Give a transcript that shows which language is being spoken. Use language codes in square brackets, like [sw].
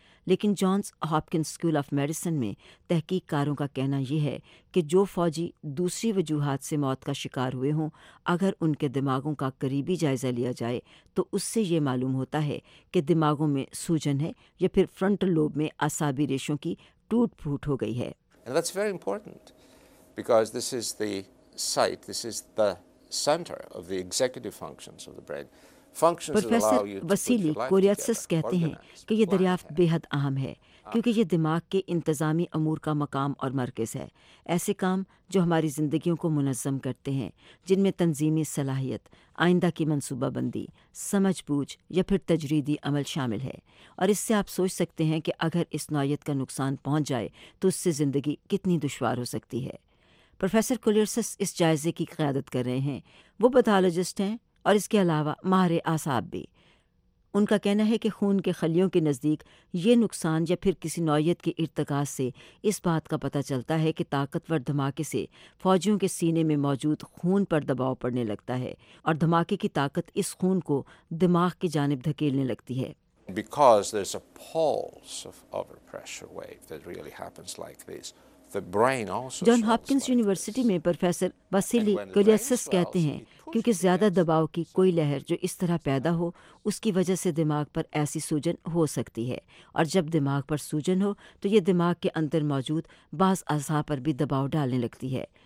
[ur] لیکن Johns Hopkins school of medicine میں تحقیق کاروں کا کہنا یہ ہے کہ جو فوجی دوسری وجوہات سے موت کا شکار ہوئے ہوں, اگر ان کے دماغوں کا قریبی جائزہ لیا جائے تو اس سے یہ معلوم ہوتا ہے کہ دماغوں میں سوجن ہے یا پھر فرنٹل لوب میں اعصابی ریشوں کی ٹوٹ پھوٹ ہو گئی ہے. [en] And that's very important because this is the site, this is the center of the executive functions of the brain. [ur] Professor وسیلی کوریاتسس کہتے ہیں کہ یہ دریافت بے حد اہم ہے کیونکہ یہ دماغ کے انتظامی امور کا مقام اور مرکز ہے. ایسے کام جو ہماری زندگیوں کو منظم کرتے ہیں, جن میں تنظیمی صلاحیت, آئندہ کی منصوبہ بندی, سمجھ بوجھ یا پھر تجریدی عمل شامل ہے, اور اس سے آپ سوچ سکتے ہیں کہ اگر اس نوعیت کا نقصان پہنچ جائے تو اس سے زندگی کتنی دشوار ہو سکتی ہے. پروفیسر کوریاتسس اس جائزے کی قیادت کر رہے ہیں. وہ پیتھولوجسٹ ہیں اور اس کے علاوہ ماہر اعصاب بھی. ان کا کہنا ہے کہ خون کے خلیوں کے نزدیک یہ نقصان یا پھر کسی نوعیت کے ارتکاز سے اس بات کا پتہ چلتا ہے کہ طاقتور دھماکے سے فوجیوں کے سینے میں موجود خون پر دباؤ پڑنے لگتا ہے, اور دھماکے کی طاقت اس خون کو دماغ کی جانب دھکیلنے لگتی ہے. [en] Because there's a pulse of overpressure wave that really happens like this. [ur] John Hopkins university میں پروفیسر وسیلی کوریاتسس کہتے ہیں کیونکہ زیادہ دباؤ کی کوئی لہر جو اس طرح پیدا ہو اس کی وجہ سے دماغ پر ایسی سوجن ہو سکتی ہے, اور جب دماغ پر سوجن ہو تو یہ دماغ کے اندر موجود بعض اعصاب پر بھی دباؤ ڈالنے لگتی ہے.